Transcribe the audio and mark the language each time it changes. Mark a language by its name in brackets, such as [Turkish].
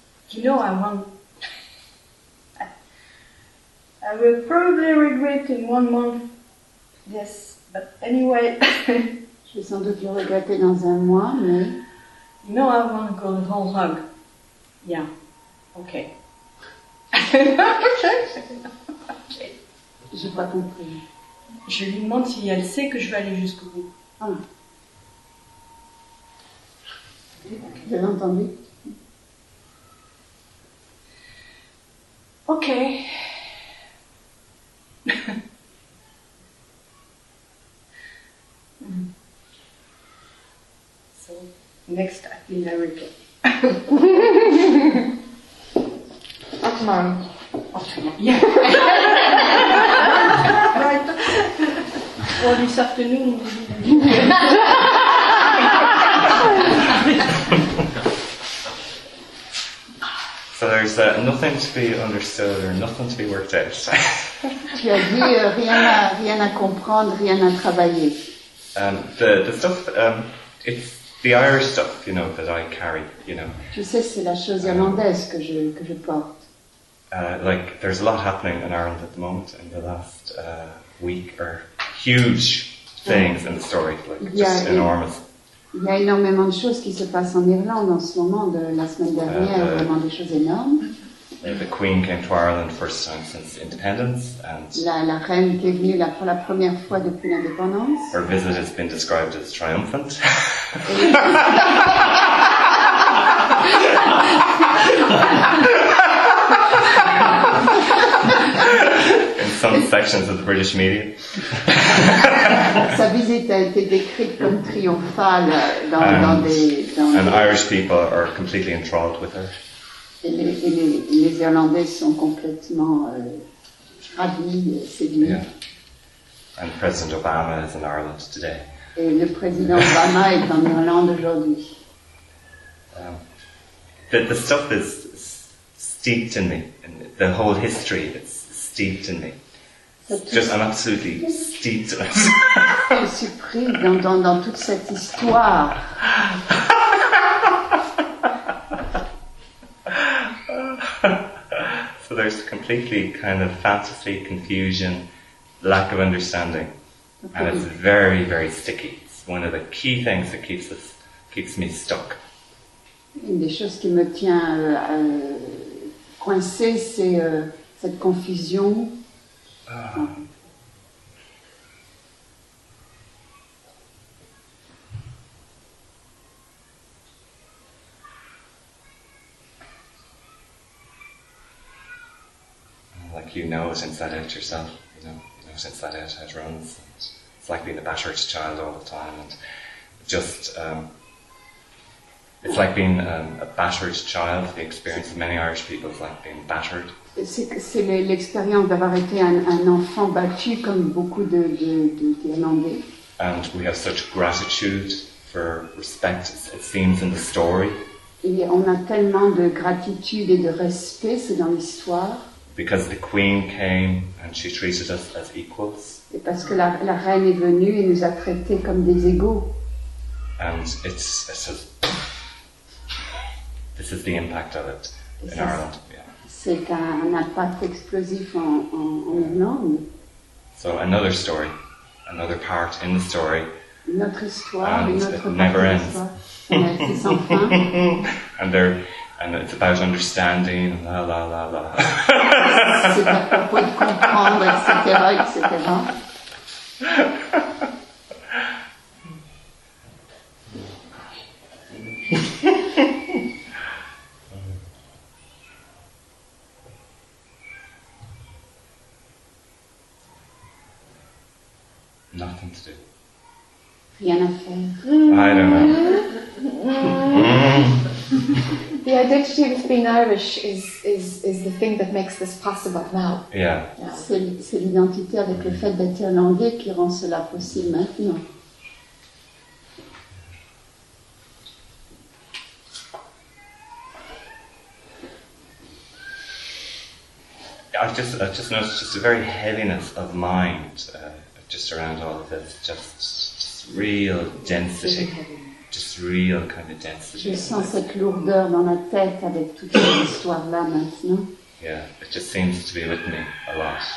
[English] You know, I will probably regret in 1 month. Yes, but anyway. [French] Je vais sans doute le regretter dans un mois, mais. [English] You know, I want to go the whole hog. Yeah. Okay. [French] Okay. J'ai pas compris. Je lui demande si elle sait que je vais aller jusqu'au bout. Ah. J'ai entendu. Ok. [English] So, next I think I repeat. Or tomorrow. Or tomorrow. Yeah. Right. Or this afternoon. So there's nothing to be understood or nothing to be worked out. [French] Tu as dit rien à comprendre, rien à travailler. [English] The stuff, it's the Irish stuff, you know, that I carry, you know. [French] Tu sais, c'est la chose irlandaise que je porte. [English] Like, there's a lot happening in Ireland at the moment, in the last week, or huge things in the story, like, just enormous. [French] Il y a énormément de choses qui se passent en Irlande en ce moment, de la semaine dernière, vraiment des choses énormes. [English] The Queen came to Ireland first time since independence. And [French] la reine qui est venue là pour la première fois depuis l'indépendance. [English] Her visit has been described as triumphant. Some sections of the British media. [French] Sa visite a été décrite comme triomphale dans [English] And Irish people are completely enthralled with her. [French] Les Irlandais sont complètement ravis, séduits. [English] Yeah. And President Obama is in Ireland today. [French] Et le président Obama est en Irlande aujourd'hui. [English] The stuff is steeped in me. In the whole history is steeped in me. Just, I'm absolutely steeped in it. [French] Je suis pris dans toute cette histoire. [English] So there's completely kind of fantasy, confusion, lack of understanding. And it's very, very sticky. It's one of the key things that keeps me stuck. [French] Une des choses qui me tient coincée, c'est cette confusion. [English] Like you know it inside out yourself, you know it inside out how it runs. It's like being a battered child all the time, and just it's like being a battered child. The experience of many Irish people is like being battered. [French] C'est l'expérience d'avoir été un enfant battu comme beaucoup d'Irlandais. [English] And we have such gratitude for respect, it seems, in the story. [French] Et on a tellement de gratitude et de respect, c'est dans l'histoire. [English] Because the queen came and she treated us as equals. [French] Et parce que la reine est venue et nous a traités comme des égaux. [English] And it's a, this is the impact of it in Ireland. [French] C'est un impact explosif en Irlande. [English] So another story, another part in the story. [French] Notre histoire, [English] and [French] une autre part [English] never ends. And it's [French] sans fin. [English] And there. And it's about understanding, la la la la. [French] C'est à propos de comprendre, etc. [English] Nothing to do. [French] Rien à faire. [English] I don't know. The identity of being Irish is the thing that makes this possible now. Yeah. [French] C'est l'identité avec le fait d'être irlandais qui rend cela possible maintenant. [English] I just noticed just a very heaviness of mind just around all of this, just real density. Just real kind of density. [French] Je sens cette lourdeur dans la tête avec toute cette histoire-là maintenant. [English] Yeah, it just seems to be with me a lot.